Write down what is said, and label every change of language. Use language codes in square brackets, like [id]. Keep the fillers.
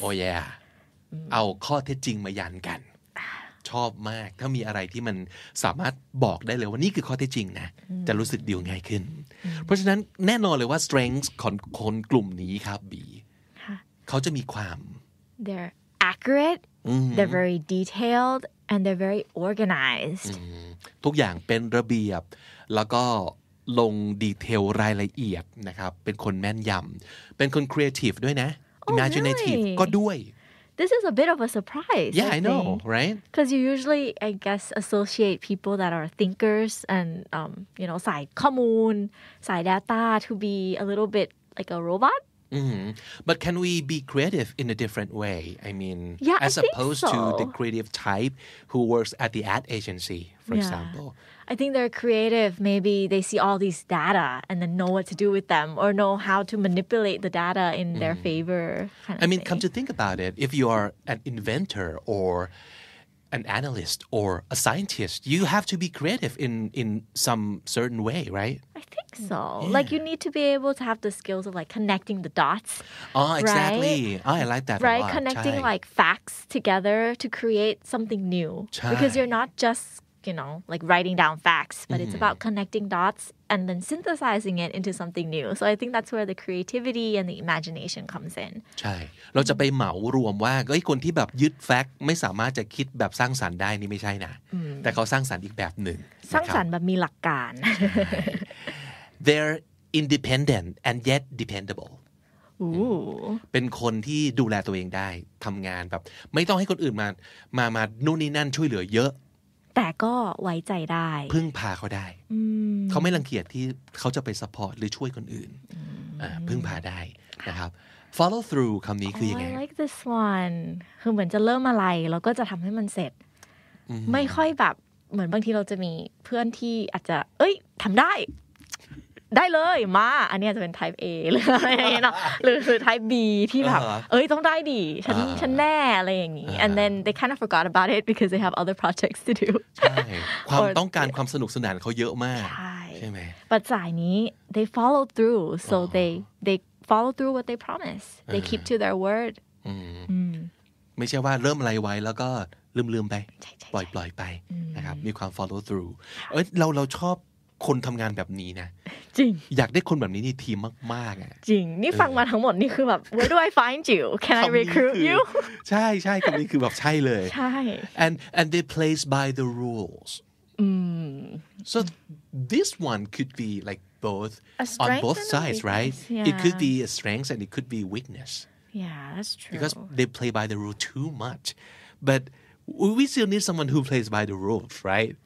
[en] oh yeah [th] เอาข้อเท็จจริงมายันกันชอบมากถ้ามีอะไรที่มันสามารถบอกได้เลยว่านี่คือข้อเท็จจริงนะจะรู้สึกดีง่ายขึ้น เพราะฉะนั้นแน่นอนเลยว่า strength ของคนกลุ่มนี้ครับบีเขาจะมีความ [en] they're accurate they're very detailed and they're very organized [th] ทุกอย่างเป็นระเบียบแล้วก็ลงดีเทลรายละเอียดนะครับเป็นคนแม่นยำเป็นคนครีเอทีฟด้วยนะ imaginative ก็ด้วย [en] this is a bit of a surprise. Yeah, I, I know, think. right? Because you usually, I guess, associate people that are thinkers and, um, you know, sai kamun, sai data to be a little bit like a robot. Mm -hmm. But can we be creative in a different way? I mean, yeah, as I opposed so. to the creative type who works at the ad agency, for yeah. example. I think they're creative. Maybe they see all these data and then know what to do with them or know how to manipulate the data in their mm. favor. Kind of I mean, thing. come to think about it, if you are an inventor or an analyst or a scientist, you have to be creative in, in some certain way, right? I think so. Mm. Yeah. Like, you need to be able to have the skills of like connecting the dots. Oh, exactly. Right? Oh, I like that. Right? Connecting Chai. like facts together to create something new. Chai. Because you're not just you know, like writing down facts, but mm-hmm. it's about connecting dots and then synthesizing it into something new. So I think that's where the creativity and the imagination comes in. [th] ใช่ เราจะไปเหมารวมว่าเอ้คนที่แบบยึดแฟกต์ไม่สามารถจะคิดแบบสร้างสรรค์ได้นี่ไม่ใช่นะ แต่เขาสร้างสรรค์อีกแบบหนึ่ง สร้างสรรค์แบบมีหลักการ [en] They're independent and yet dependable. [th] เป็นคนที่ดูแลตัวเองได้ทำงานแบบไม่ต้องให้คนอื่นมา มามานู่นนี่นั่นช่วยเหลือเยอะแต่ก็ไว้ใจได้ พึ่งพาเขาได้เขาไม่รังเกียจที่เขาจะไปซัพพอร์ตหรือช่วยคนอื่นพึ่งพาได้นะครับ follow through คำนี้คือยังไง [en] like this one [th] คือเหมือนจะเริ่มอะไรแล้วก็จะทำให้มันเสร็จ ไม่ค่อยแบบเหมือนบางทีเราจะมี เพื่อนที่อาจจะ เอ้ยทำได้ได้เลยมาอันนี้จะเป็น type A เลยนะหรือาหรือ type B ที่แบบเอ้ยต้องได้ดิฉันฉันแน่อะไรอย่างนี้ [en] and then they kind of forgot about it because they have other projects to do [th] ใช่ความต้องการความสนุกสนานเขาเยอะมาก ใช่ไหม ปัจจายนี้ [en] they follow through so they they follow through what they promise they keep to their word [th] ไม่ใช่ว่าเริ่มอะไรไว้แล้วก็ลืมๆไป ปล่อยๆไปนะครับมีความ follow through เอ้ยเราเราชอบคนทํางานแบบนี้นะ จริง อยากได้คนแบบนี้ในทีมมากๆอ่ะ จริง นี่ฟังมาทั้งหมดนี่คือแบบ [en] Where do I find you Can I recruit you [th] ใช่ใช่คำนี้คือแบบใช่เลย ใช่ [en] and and they p l a y by the rules so this one could be like both on both sides right it could be a strength and it could be weakness yeah that's true because they play by the rule too much but we still need someone who plays by the rules, right?